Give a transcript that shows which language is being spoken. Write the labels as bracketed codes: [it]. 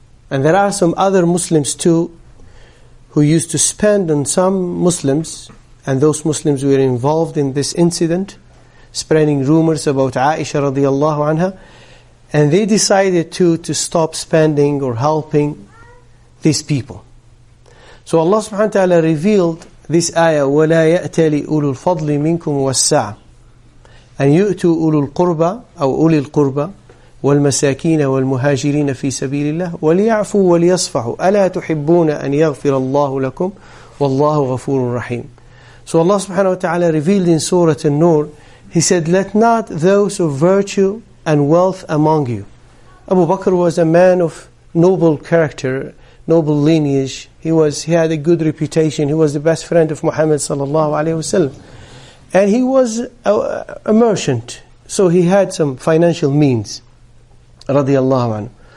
[en] And there are some other Muslims too, who used to spend on some Muslims, and those Muslims were involved in this incident, spreading rumors about Aisha radiallahu anha, and they decided to stop spending or helping these people. [ar] So Allah subhanahu wa ta'ala revealed this ayah, وَلَا يَأْتَلِ أُولُو الْفَضْلِ مِنْكُمْ وَالسَّعَ أَنْ يُؤْتُوا أُولُو الْقُرْبَى أَوْ أُولِي الْقُرْبَى وَالْمَسَاكِينَ وَالْمُهَاجِرِينَ فِي سَبِيلِ اللَّهِ وَلْيَعْفُوا وَلْيَصْفَحُوا أَلَا تُحِبُّونَ أَنْ يَغْفِرَ اللَّهُ لَكُمْ وَاللَّهُ غَفُورٌ رَحِيمٌ. [en] So Allah subhanahu wa ta'ala revealed in Surah An-Nur, He said, let not those of virtue and wealth among you. Abu Bakr was a man of noble character, noble lineage. He had a good reputation. He was the best friend of Muhammad sallallahu alaihi wasallam, and he was a merchant, so he had some financial means, radiallahu anhu.